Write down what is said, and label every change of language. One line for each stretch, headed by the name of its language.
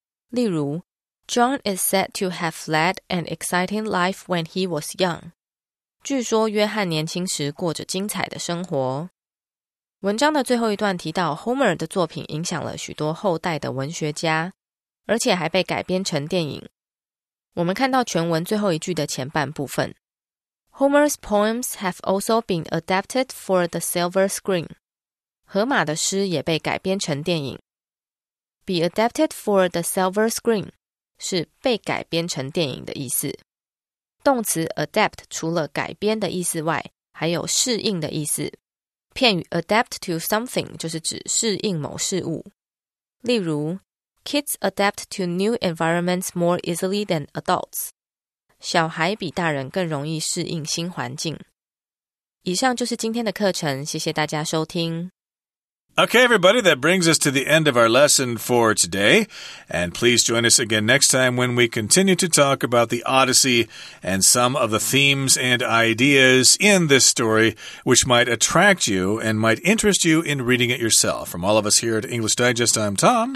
Chinese: 例如
English: John is said to have led an exciting life when he was young.
Chinese: 据说约翰年轻时过着精彩的生活。文章的最后一段提到 Homer 的作品影响了许多后代的文学家，而且还被改编成电影。我们看到全文最后一句的前半部分。
English: Homer's poems have also been adapted for the silver screen.
Chinese: 荷马的诗也被改编成电影。
English: Be adapted for the silver screen.
Chinese: 是被改编成电影的意思。动词 adapt 除了改编的意思外，还有适应的意思。片语
English: adapt to something
Chinese: 就是指适应某事物。例如
English: ,kids adapt to new environments more easily than adults.
Chinese: 小孩比大人更容易适应新环境。以上就是今天的课程，谢谢大家收听。
English: Okay, everybody, that brings us to the end of our lesson for today. And please join us again next time when we continue to talk about the Odyssey and some of the themes and ideas in this story, which might attract you and might interest you in reading it yourself. From all of us here at English Digest, I'm Tom.